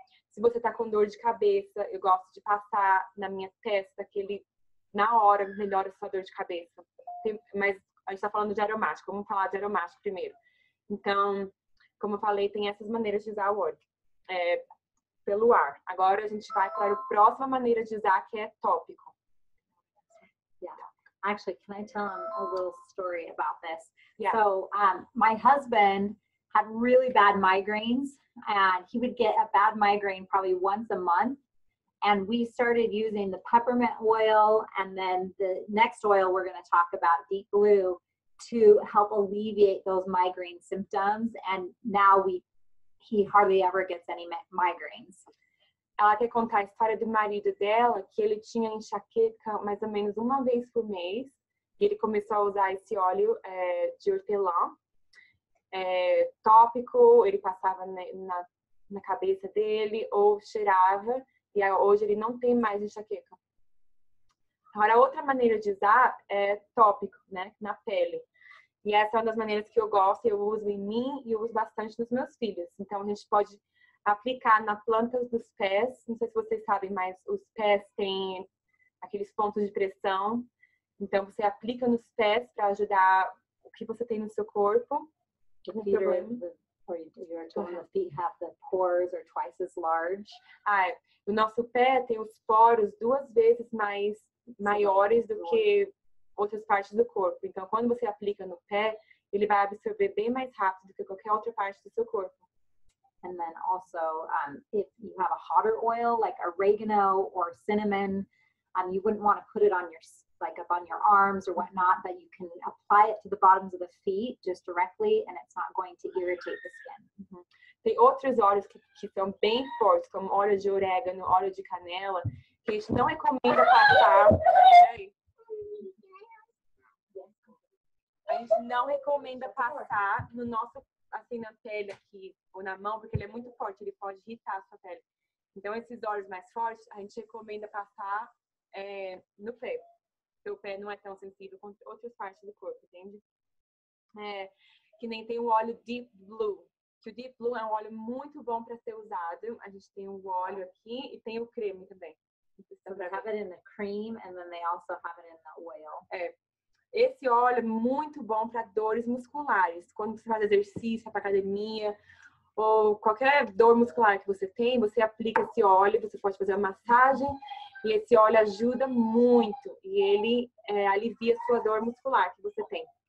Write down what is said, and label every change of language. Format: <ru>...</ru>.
<pt>Se você tá com dor de cabeça, eu gosto de passar na minha testa, que ele, na hora, melhora a sua dor de cabeça. Mas a gente tá falando de aromático, vamos falar de aromático primeiro. Então, como eu falei, tem essas maneiras de usar o óleo. Pelo ar. Agora a gente vai para a próxima maneira de usar, que é tópico.</pt> <en>Yeah. Actually, can I tell him a little story about this? Yeah. So, my husband had really bad migraines, and he would get a bad migraine probably once a month. And we started using the peppermint oil, and then the next oil we're going to talk about, deep blue, to help alleviate those migraine symptoms. And now he hardly ever gets any migraines.</en> <pt>Ela quer contar a história do marido dela, que ele tinha enxaqueca mais ou menos uma vez por mês, e ele começou a usar esse óleo de hortelã, tópico, ele passava na cabeça dele, ou cheirava, e hoje ele não tem mais enxaqueca. Agora, outra maneira de usar é tópico, né, na pele. E essa é uma das maneiras que eu gosto, eu uso em mim e uso bastante nos meus filhos. Então, a gente pode aplicar na planta dos pés. Não sei se vocês sabem, mas os pés têm aqueles pontos de pressão. Então, você aplica nos pés para ajudar o que você tem no seu corpo. O nosso pé tem os poros duas vezes maiores do que outras partes do corpo. Então, quando você aplica no pé, ele vai absorver bem mais rápido do que qualquer outra parte do seu corpo.</pt> <en>And then also, if you have a hotter oil, like oregano or cinnamon, you wouldn't want to put it on your, like up on your arms or whatnot, but you can apply it to the bottoms of the feet just directly, and it's not going to irritate the skin.</en> <pt>Tem outros óleos que são bem fortes, como óleo de orégano, óleo de canela, que a gente não recomenda passar. A gente não recomenda passar no nosso, assim, na pele aqui ou na mão, porque ele é muito forte, ele pode irritar a sua pele. Então, esses óleos mais fortes, a gente recomenda passar no pé. Seu pé não é tão sensível quanto outras partes do corpo, entende? Que nem tem o óleo Deep Blue. Que o Deep Blue é um óleo muito bom para ser usado. A gente tem o óleo aqui e tem o creme também.</pt> <en>They have it in the cream and then they also have it in the oil.</en> <pt>Esse óleo é muito bom para dores musculares. Quando você faz exercício, para academia, ou qualquer dor muscular que você tem, você aplica esse óleo, você pode fazer uma massagem, e esse óleo ajuda muito. E ele alivia a sua dor muscular que você tem.</pt>